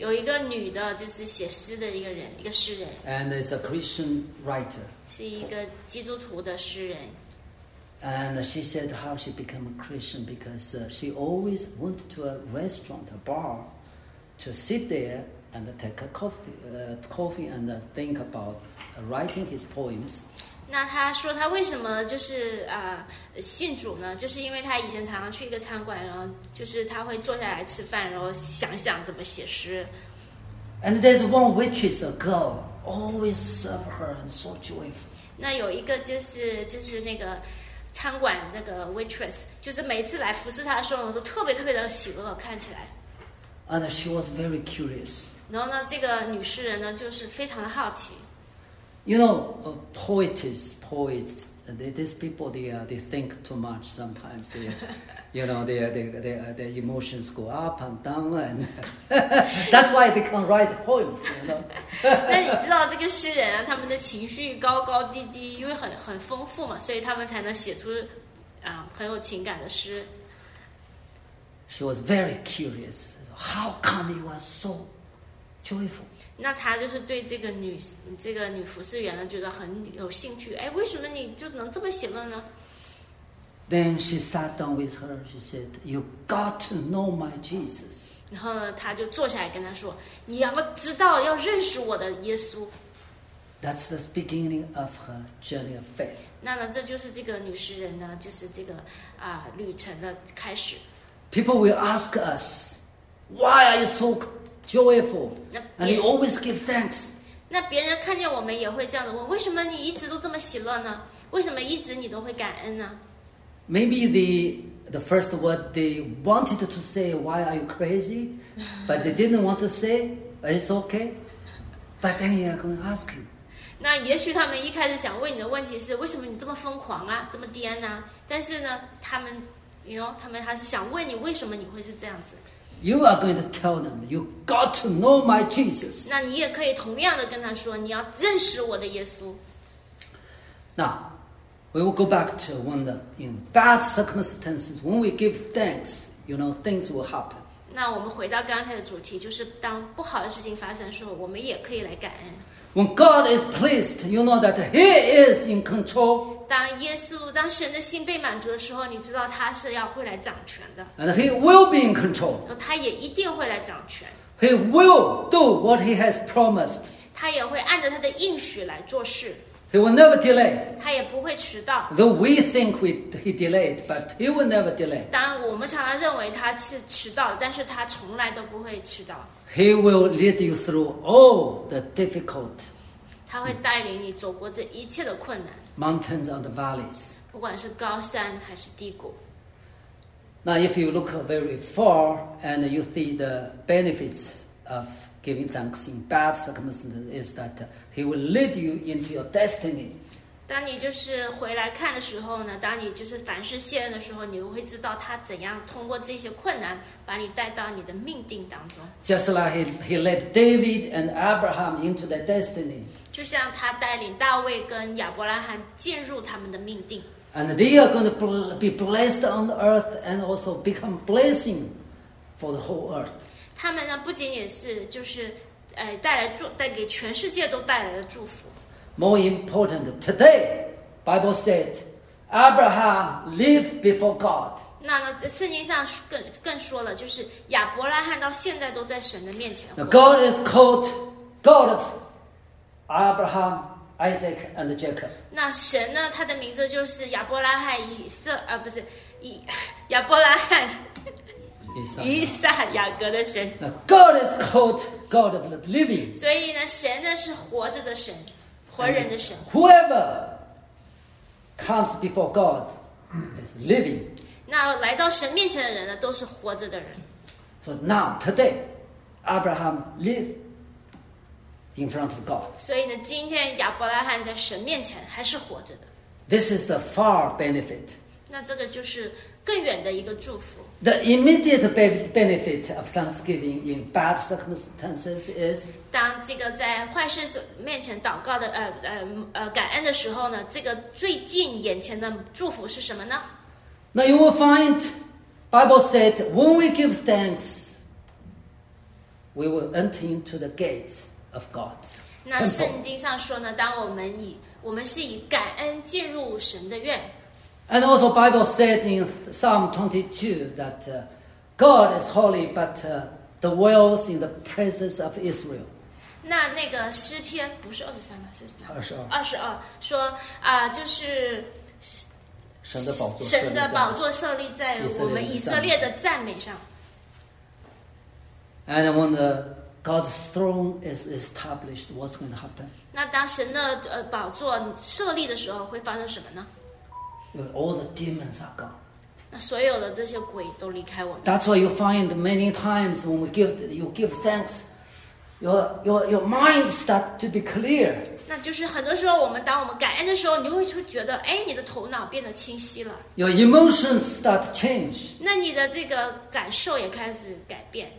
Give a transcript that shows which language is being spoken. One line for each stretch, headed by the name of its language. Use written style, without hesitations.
Chinese: 有一个女的，就是写诗的一个人，一个诗人。
English: And is a Christian writer.
Chinese: 是一个基督徒的诗人。
English: And she said how she became a Christian because she always went to a restaurant, a bar, to sit there and take a coffee and think about writing his poems.
Chinese: 那他说他为什么就是信主呢？就是因为他以前常常去一个餐馆，然后就是他会坐下来吃饭，然后想想怎么写诗。
English: And there's one witch, is a girl, always serve her and so joyful.
Chinese: 那有一个就是那个餐馆那个 waitress, 就是每次来服侍他的时候都特别特别的喜乐，看起来。
English: And she was very curious.
Chinese: 然后呢，这个女诗人呢就是非常的好奇。
English: You know, poets, these people, they think too much sometimes. They, you know, their emotions go up and down, and that's why they can't write poems, you know.
Chinese: 那你知道这个诗人啊，他们的情绪高高低低，因为很丰富嘛，所以他们才能写出很有情感的诗。
English: She was very curious. How come you are so joyful?
Chinese: 那他就是对这个女服侍员呢觉得很有兴趣，哎，为什么你就能这么喜乐呢？
English: Then she sat down with her. She said, "You got to know my Jesus."
Chinese: 然后呢，他就坐下来跟他说，你要知道，要认识我的耶稣。
English: That's the beginning of her journey of faith.
Chinese: 那呢，这就是这个女诗人呢，就是这个旅程的开始。
English: People will ask us, "Why are you so?" Joyful, and you always give thanks.
Chinese: 那别人看见我们也会这样的问：为什么你一直都这么喜乐呢？为什么一直你都会感恩呢？
English: Maybe the first word they wanted to say, "Why are you crazy?" But they didn't want to say, "It's okay." But then they are going to ask you.
Chinese: 那也许他们一开始想问你的问题是：为什么你这么疯狂啊，这么癫啊？但是呢，他们 ，
English: you know，
Chinese: 他们还是想问你：为什么你会是这样子？
English: You are going to tell them, "You got to know my Jesus."
Chinese: 那你也可以同样的跟他说，你要认识我的耶稣。
English: Now, we will go back to when the in bad circumstances, when we give thanks, you know, things will happen.
Chinese: 那我们回到刚才的主题，就是当不好的事情发生的时候，我们也可以来感恩。
English: When God is pleased, you know that He is in control.
Chinese: 当神的心被满足的时候，你知道他是要会来掌权的。
English: And He will be in control.
Chinese: 他也一定会来掌权。
English: He will do what He has promised.
Chinese: 他也会按照他的应许来做事。
English: He will never delay.
Chinese: 他也不会迟到。
English: Though we think He delayed, but He will never delay.
Chinese: 当我们常常认为他是迟到，但是他从来都不会迟到。
English: He will lead you through all the difficult.
Chinese: 他会带领你走过这一切的困难。
English: Mountains and the valleys.
Chinese: 不管是高山还是低谷。
English: Now, if you look very far and you see the benefits of giving thanks in bad circumstances, is that He will lead you into your destiny.
Chinese: 当你就是回来看的时候呢，当你就是凡事谢恩的时候，你会知道他怎样通过这些困难把你带到你的命定当中。
English: Just like he led David and Abraham into their destiny.
Chinese: 就像他带领大卫跟亚伯拉罕进入他们的命定。
English: And they are going to be blessed on earth and also become blessing for the whole earth.
Chinese: 他们呢不仅仅是就是带给全世界都带来的祝福。
English: More important today, Bible said, Abraham lived before God.
Chinese: 那圣经上更说了，就是亚伯拉罕到现在都在神的面前。
English: Now, God is called God of Abraham, Isaac, and Jacob.
Chinese: 那神呢？他的名字就是亚伯拉罕以色啊，不是以亚伯拉罕。以撒雅各的神。
English: Now, God is called God of the living.
Chinese: 所以呢，神呢是活着的神，活人的神。
English: And whoever comes before God is living.
Chinese: 那来到神面前的人呢，都是活着的人。
English: So now today, Abraham lived in front of God.
Chinese: 所以呢，今天亚伯拉罕在神面前还是活着的。
English: This is the far benefit.
Chinese: 那这个就是更远的一个祝福。
English: The immediate benefit of thanksgiving in bad circumstances is
Chinese: 当这个在坏事面前祷告的感恩的时候呢，这个最近眼前的祝福是什么呢？
English: Now you will find Bible said when we give thanks we will enter into the gates of God's temple.
Chinese: 那圣经上说呢，当我们是以感恩进入神的院。
English: And also Bible said in Psalm 22 that God is holy, but the world's in the presence of Israel.
Chinese: 那个诗篇不是23吗？是 22。 22说就是神的宝座设立在我们以色列的赞美上。
English: And when the God's throne is established, what's going to happen?
Chinese: 那当神的宝座设立的时候会发生什么呢？
English: All the demons are gone.
Chinese: 那所有的这些鬼都离开我们。
English: That's why you find many times when we give, you give thanks, your mind start to be clear.
Chinese: 那就是很多时候，当我们感恩的时候，你会觉得，哎，你的头脑变得清晰了。
English: Your emotions start to change.
Chinese: 那你的这个感受也开始改变。